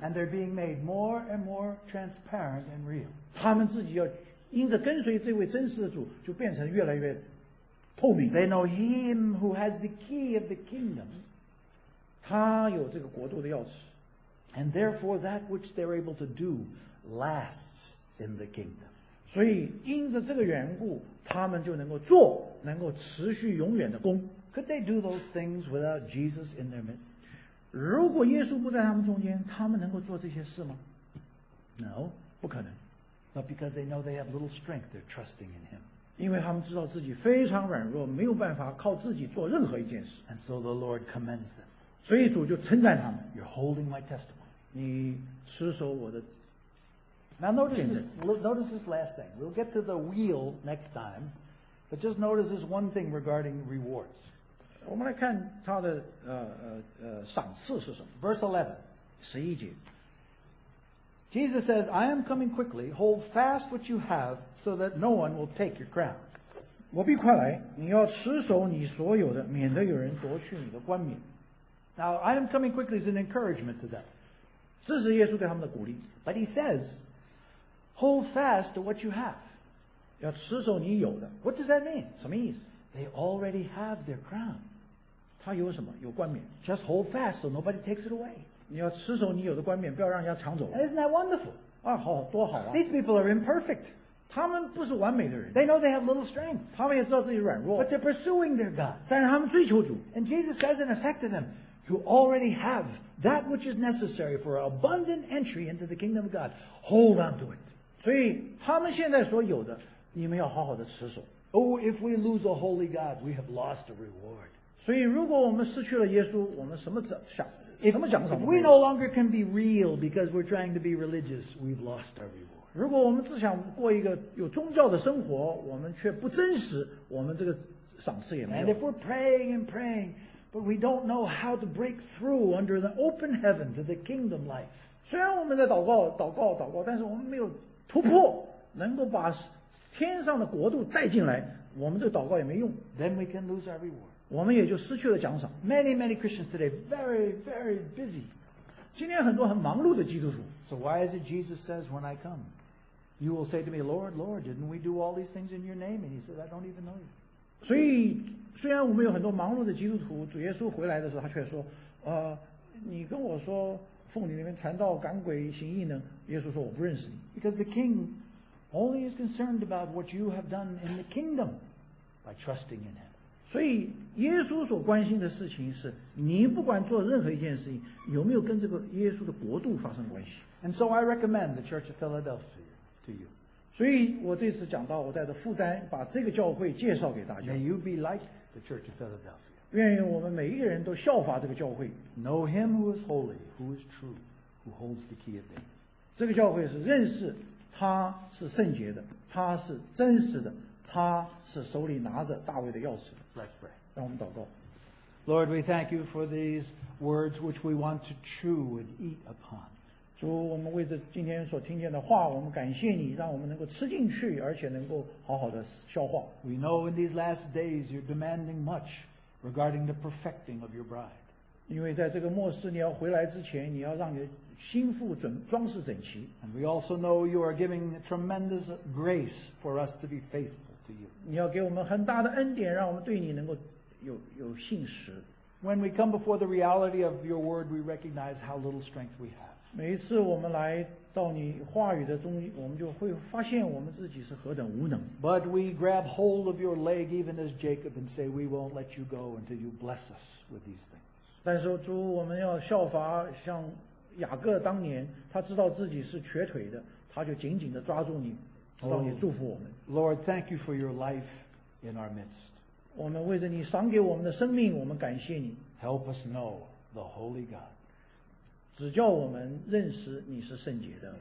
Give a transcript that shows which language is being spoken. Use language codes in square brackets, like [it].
[en] and they're being made more and more transparent and real. [zh] 他们自己要因着跟随这位真实的主就变成越来越透明。 [en] They know him who has the key of the kingdom, [zh] 他有这个国度的钥匙， [en] and therefore that which they're able to dodo lasts in the kingdom. [zh] 所以因着这个缘故，他们就能够做，能够持续永远的工。 [en] Could they do those things without Jesus in their midst? [zh] 如果耶稣不在他们中间，他们能够做这些事吗？ [en] No, [zh] 不可能。 [en] But because they know they have little strength, they're trusting in him. [zh] 因为他们知道自己非常软弱，没有办法靠自己做任何一件事。 [en] And so the Lord commends them. [zh] 所以主就称赞他们。 [en] You're holding my testimony. [zh] 你持守我的。 [en] Now notice this last thing. We'll get to the wheel next time, but just notice this one thing regarding rewards. [zh] 我们来看他的赏赐是什么。 [en] Verse [zh] 11. 11节。 [en] Jesus says, I am coming quickly. Hold fast what you have so that no one will take your crown. [zh] 我必快来，你要持守你所有的，免得有人夺去你的冠冕。 [en] Now, I am coming quickly is an encouragement to them. [zh] 这是耶稣对他们的鼓励。 [en] But he says, hold fast to what you have. [zh] 要持守你有的。 [en] What does that mean? [zh] 什么意思？ [en] They already have their crown. [zh] 他有什么？有冠冕。 [en] Just hold fast so nobody takes it away. [zh] 你要持守你有的冠冕，不要让人家抢走。 [en] Isn't that wonderful? [zh] 啊，好，多好啊。 [en] These people are imperfect. [zh] 他们不是完美的人。 [en] They know they have little strength. [zh] 他们也知道自己软弱。 [en] But they're pursuing their God. [zh] 但是他们追求主。 [en] And Jesus says in effect to them,You already have that which is necessary for abundant entry into the kingdom of God. Hold on to it. [zh] 所以他们现在所有的，你们要好好的持守。 [en] Oh, if we lose a holy God, we have lost a reward. [zh] 所以如果我们失去了耶稣，我们什么奖赏？什么奖赏？ [en] If we no longer can be real because we're trying to be religious, we've lost our reward. [zh] 如果我们只想过一个有宗教的生活，我们却不真实，我们这个赏赐也没有。 [en] And if we're praying and praying. But we don't know how to break through under the open heaven to the kingdom life. [zh] 虽然我们在祷告、祷告、祷告，但是我们没有突破，能够把天上的国度带进来，我们这个祷告也没用。 [en] Then we can lose our reward. [zh] 我们也就失去了奖赏。 [en] Many, many Christians today very, very busy. [zh] 今天很多很忙碌的基督徒。 [en] So why is it Jesus says, when I come, you will say to me, Lord, Lord, didn't we do all these things in your name? And he says, I don't even know you. [zh] 所以虽然我们有很多忙碌的基督徒，主耶稣回来的时候，他却说：“你跟我说奉你那边传道、赶鬼、行异能。” 耶稣说：“我不认识你。” [en] Because the king only is concerned about what you have done in the kingdom by trusting in him. [zh] 所以耶稣所关心的事情是你不管做任何一件事情，有没有跟这个耶稣的国度发生关系。 [en] And so I recommend the Church of Philadelphia to you. [zh] 所以我这次讲到我带着负担把这个教会介绍给大家。 [en] May you be like the Church of Philadelphia. [zh] 愿意我们每一个人都效法这个教会。 [en] Know him who is holy, who is true, who holds the key of things. [zh] 这个教会是认识他是圣洁的，他是真实的，他是手里拿着大卫的钥匙的。 [en] Let's pray. [zh] 让我们祷告。 [en] Lord, we thank you for these words which we want to chew and eat upon. [zh] 主，我们为着今天所听见的话，我们感谢你，让我们能够吃进去，而且能够好好的消化。 [en] We know in these last days you're demanding much regarding the perfecting of your bride. [zh] 因为在这个末世你要回来之前，你要让你的心腹装饰整齐。 [en] And we also know you are giving tremendous grace for us to be faithful to you. [zh] 你要给我们很大的恩典，让我们对你能够有信实。 [en] When we come before the reality of your word, we recognize how little strength we have. [zh] 每一次我们来到你话语的中，我们就会发现我们自己是何等无能。 [en] But we grab hold of your leg, even as Jacob, and say, "We won't let you go until you bless us with these things." [zh] 但是主，我们要效法像雅各当年，他知道自己是瘸腿的，他就紧紧地抓住你，直到你祝福我们。 [en] Oh, Lord, thank you for your life in our midst. [zh] 我们为着你赏给我们的生命，我们感谢你。 [en] Help us know the Holy God. [zh] 指教我们认识你是圣洁的。